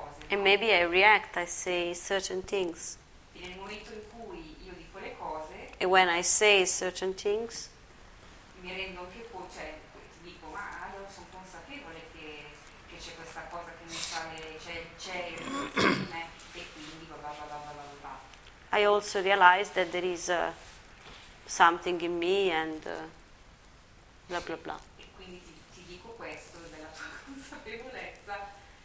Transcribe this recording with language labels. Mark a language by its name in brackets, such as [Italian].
[English] And maybe I react, I say certain things. [Italian] Nel momento in cui io dico le cose, [English] and when I say certain things, [Italian] mi rendo anche conto, cioè ti dico, ma allora sono consapevole che c'è questa cosa che mi sale, c'è il e quindi va. [English] I also realize that there is something in me and blah blah blah. [Italian] E quindi ti dico questo della tua consapevolezza.